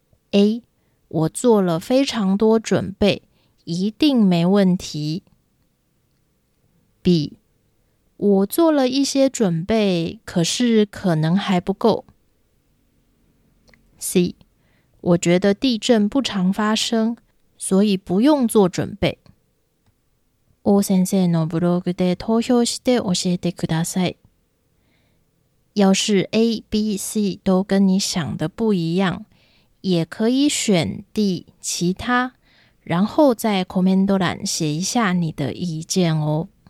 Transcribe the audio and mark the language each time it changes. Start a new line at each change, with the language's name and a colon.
Chinese: A， 我做了非常多准备，一定没问题。 B， 我做了一些准备，可是可能还不够。 C， 我觉得地震不常发生，所以不用做准备。
Japanese: 大先生のブログで投票して教えてください。
Chinese: 要是 A、B、C 都跟你想的不一样，也可以选 D 其他，然后在 comment 欄写一下你的意见哦。